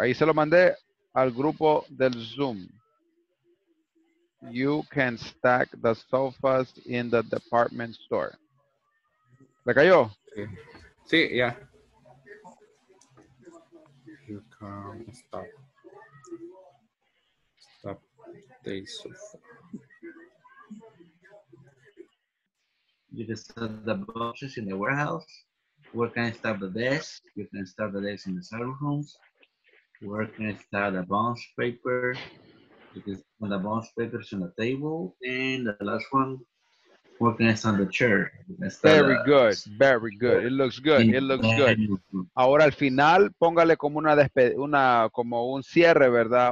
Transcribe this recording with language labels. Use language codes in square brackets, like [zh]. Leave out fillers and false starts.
[es] Ahí se lo mandé al grupo del Zoom. [en] You can stack the sofas in the department store. [es] ¿Le cayó? Sí, ya. Yeah. [en] You can stack the sofa. You can stack the boxes in the warehouse. Where can I stack the desk? You can stack the desk in the server rooms. Where can I stack the bounce paper? Because the bounce paper is on the table. And the last one, where can I stack the chair? Very good. It looks good. [es] Ahora al final, póngale como una como un cierre, ¿verdad?